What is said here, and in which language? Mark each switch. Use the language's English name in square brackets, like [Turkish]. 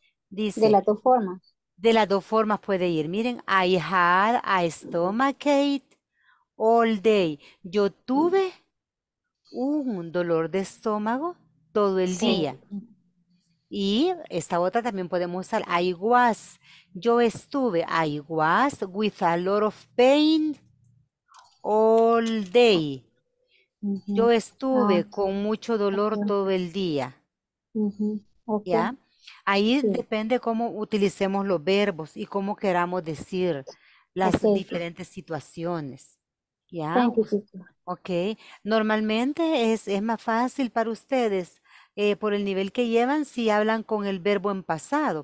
[Spanish] De Dice, las dos formas. de las dos formas puede ir. Miren, I had a stomachache all day. Yo tuve un dolor de estómago todo el día. Y esta otra también podemos usar. I was. Yo estuve. [English] I was with a lot of pain all day. [Spanish] Yo estuve con mucho dolor todo el día. ¿Ya? Ahí depende cómo utilicemos los verbos y cómo queramos decir las diferentes situaciones. ¿Ya? Ok, normalmente es más fácil para ustedes por el nivel que llevan si hablan con el verbo en pasado.